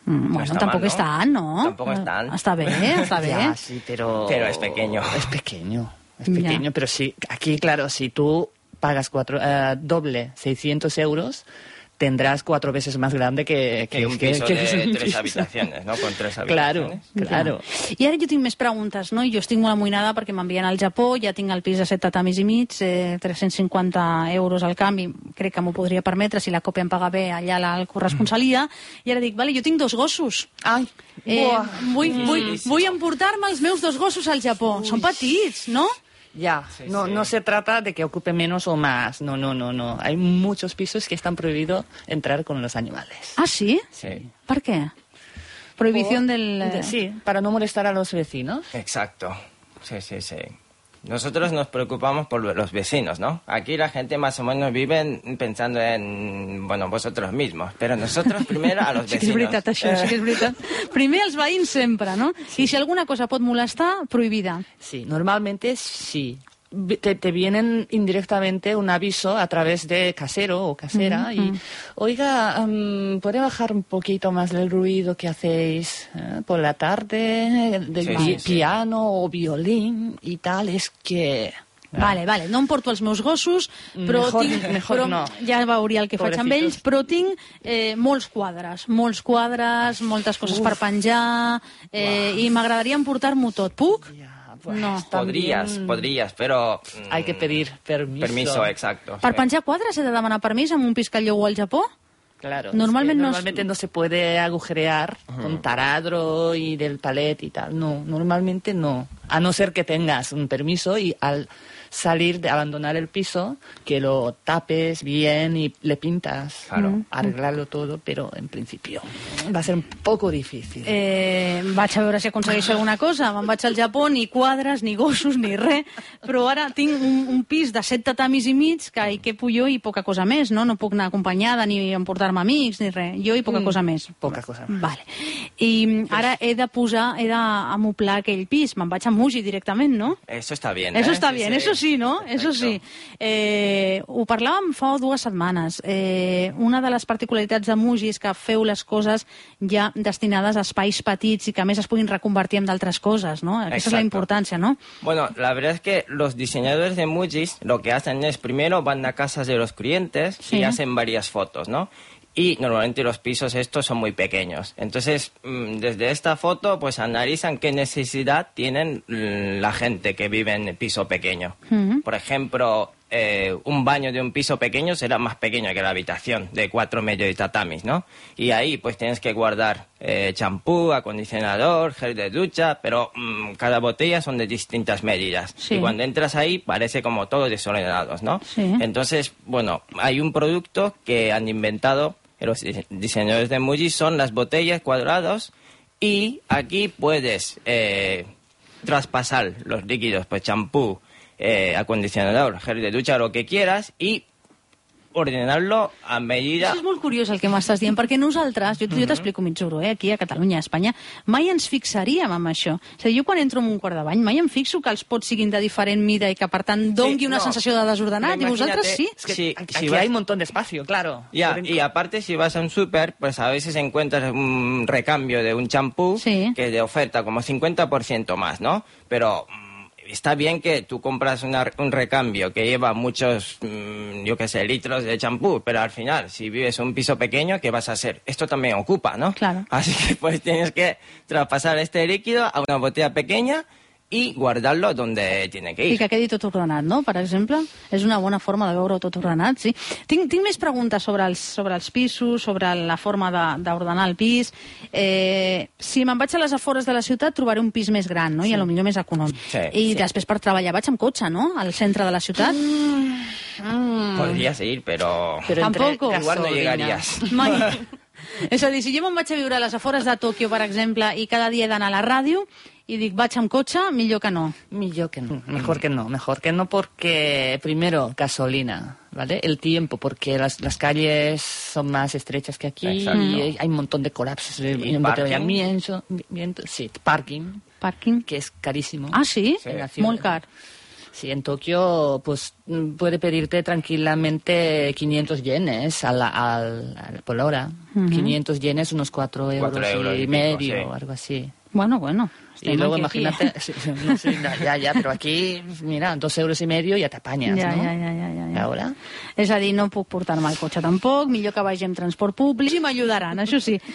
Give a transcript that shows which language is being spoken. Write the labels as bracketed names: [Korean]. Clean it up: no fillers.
[Spanish] Bueno, está tampoco mal, ¿no? Está bien. Ya, sí, pero... Es pequeño. Es pequeño, ya. Pero sí, aquí, claro, si tú pagas doble, 600 euros... tendrás 4 veces más grande que un piso de 3 habitaciones, ¿no? Con 3 habitaciones. Claro, claro. [Catalan] I ara jo tinc més preguntes, no? I jo estic molt amoïnada perquè m'envien al Japó, ja tinc el pis de 7.5 tatamis, 350 euros al canvi, crec que m'ho podria permetre si la còpia em paga bé allà la corresponsalia, i ara dic, vale, jo tinc 2 gossos. Ai, vull emportar-me els meus 2 gossos al Japó. Ui. Són petits, no? [Spanish] Ya, sí, no, sí. No se trata de que ocupe menos o más, no. Hay muchos pisos que están prohibidos entrar con los animales. ¿Ah, sí? Sí. ¿Por qué? Prohibición Sí, para no molestar a los vecinos. Exacto, sí. Nosotros nos preocupamos por los vecinos, ¿no? Aquí la gente más o menos vive pensando en, bueno, vosotros mismos, pero nosotros primero a los vecinos. [Catalan] Sí, es veritat, això, sí que és veritat. Primer els veïns sempre, no? Sí. I si alguna cosa pot molestar, prohibida. [Spanish] Sí, normalmente sí. Te vienen indirectamente un aviso a través de casero o casera y, oiga, ¿puede bajar un poquito más del ruido que hacéis por la tarde del piano o violín y tal? Es que... [Catalan] Vale, no em porto els meus gossos, però, [Spanish] mejor no. [Catalan] Ja veuria el que faig amb ells, però tinc molts quadres, moltes coses per penjar, i m'agradaria emportar-m'ho tot. Puc? [Spanish] Pues, no. Podrías, pero... Hay que pedir permiso. Permiso, exacto. [Catalan] ¿Per penjar quadres he de demanar permís en un pis que llogo al Japó? [Spanish] Claro. Normalmente no se puede agujerear con taladro y del palet y tal. No, normalmente no. A no ser que tengas un permiso y al salir de abandonar el piso, que lo tapes bien y le pintas. Claro. Arreglarlo todo, pero en principio va a ser un poco difícil. [Catalan] Vaig a veure si aconsegueixo alguna cosa. Me'n vaig al Japó, ni quadres, ni gossos, ni res. Però ara tinc un pis de 7.5 tatamis, que hi quepo jo i poca cosa més, no? No puc anar acompanyada ni emportar-me amics, ni res. Jo i poca cosa més. Poca cosa més. Vale. I ara he d'amoblar aquell pis. Me'n vaig a Muji directament, no? [Spanish] Eso está bien. Eso está bien, eso sí, ¿no? Perfecto. Eso sí. [Catalan] Ho parlàvem fa 2 setmanes. Una de les particularitats de Muji és que feu les coses ja destinades a espais petits i que a més es puguin reconvertir en d'altres coses, ¿no? Aquesta [Spanish] Exacto. [Catalan] és la importància, ¿no? [Spanish] Bueno, la verdad es que los diseñadores de Muji lo que hacen es primero van a casas de los clientes sí. y hacen varias fotos, ¿no? Y normalmente los pisos estos son muy pequeños. Entonces, desde esta foto, pues analizan qué necesidad tienen la gente que vive en el piso pequeño. Por ejemplo, un baño de un piso pequeño será más pequeño que la habitación de 4.5 de tatamis, ¿no? Y ahí, pues tienes que guardar champú, acondicionador, gel de ducha, pero cada botella son de distintas medidas. Sí. Y cuando entras ahí, parece como todo desordenado, ¿no? Sí. Entonces, bueno, hay un producto que han inventado los diseñadores de Muji, son las botellas cuadradas, y aquí puedes traspasar los líquidos, pues champú, acondicionador, gel de ducha, lo que quieras, y ordenarlo a medida... [Catalan] Això és molt curiós el que m'estàs dient, perquè nosaltres, jo t'explico, Mitsuru, aquí a Catalunya, a Espanya, mai ens fixaríem en això. O sigui, jo quan entro en un quart de bany, mai em fixo que els pots siguin de diferent mida i que, per tant, doni una sensació de desordenat, i vosaltres sí. [Spanish] Aquí hay un montón de espacio, claro. Ya, y aparte, si vas a un súper, pues a veces encuentras un recambio de un champú que de oferta como 50% más, ¿no? Pero... Está bien que tú compras un recambio que lleva muchos, litros de champú, pero al final, si vives en un piso pequeño, ¿qué vas a hacer? Esto también ocupa, ¿no? Claro. Así que pues tienes que traspasar este líquido a una botella pequeña [Catalan] i guardar-lo on [Spanish] tiene que ir. [Catalan] I que quedi tot ordenat, no? Per exemple, és una bona forma de veure-ho tot ordenat, sí. Tinc més preguntes sobre els pisos, sobre la forma d'ordenar el pis. Si me'n vaig a les afores de la ciutat, trobaré un pis més gran, no? Sí. I a lo millor més econòmic. Sí, i sí. Després per treballar vaig amb cotxe, no? Al centre de la ciutat. Podries ir, però... [Spanish] Tampoco. Igual no llegaries. [Catalan] Mai. És a dir, si jo me'n vaig a viure a les afores de Tòquio, per exemple, i cada dia he d'anar a la ràdio i dic vaig amb cotxe, millor que no. Millor que no. [Spanish] Mejor que no. Mejor que no porque, primero, gasolina, ¿vale? El tiempo, porque las calles son más estrechas que aquí. Exacto. Y hay un montón de colapsos. Y embotellamientos. Sí, parking. Parking. Que es carísimo. Ah, sí. Sí. Muy caro. Sí, en Tokio, pues puede pedirte tranquilamente 500 yenes al por la hora. Uh-huh. 500 yenes, unos 4 euros y medio, sí. Algo así. Bueno, bueno. Y luego imagínate, ya, pero aquí, mira, 2 euros y medio ya te apañas, ya, ¿no? Ya. ¿Ahora? [Catalan] És a dir, no puc portar-me el cotxe tampoc, millor que vagi amb transport públic. I m'ajudaran, això sí.